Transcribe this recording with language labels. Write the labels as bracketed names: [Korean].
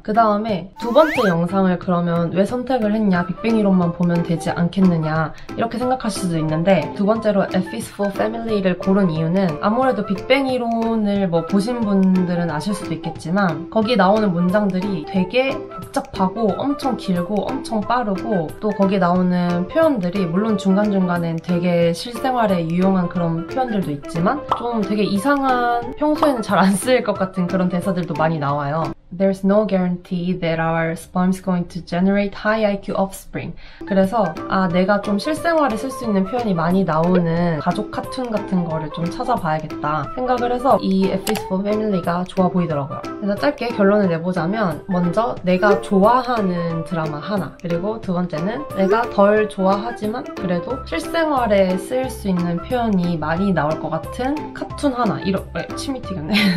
[Korean] 그 다음에 두 번째 영상을 그러면 왜 선택을 했냐, 빅뱅 이론만 보면 되지 않겠느냐 이렇게 생각하실 수도 있는데, 두 번째로 F is for family를 고른 이유는 아무래도 빅뱅 이론을 뭐 보신 분들은 아실 수도 있겠지만 거기 나오는 문장들이 되게 복잡하고 엄청 길고 엄청 빠르고, 또 거기 나오는 표현들이 물론 중간중간엔 되게 실생활에 유용한 그런 표현들도 있지만 좀 되게 이상한, 평소에는 잘 안 쓰일 것 같은 그런 대사들도 많이 나와요. [English] There's no guarantee that our sperm is going to generate high IQ offspring. [Korean] 그래서 아, 내가 좀 실생활에 쓸 수 있는 표현이 많이 나오는 가족 카툰 같은 거를 좀 찾아봐야겠다 생각을 해서 이 F is for family가 좋아 보이더라고요. 그래서 짧게 결론을 내보자면, 먼저 내가 좋아하는 드라마 하나, 그리고 두 번째는 내가 덜 좋아하지만 그래도 실생활에 쓸 수 있는 표현이 많이 나올 것 같은 카툰 하나, 침이 튀겼네.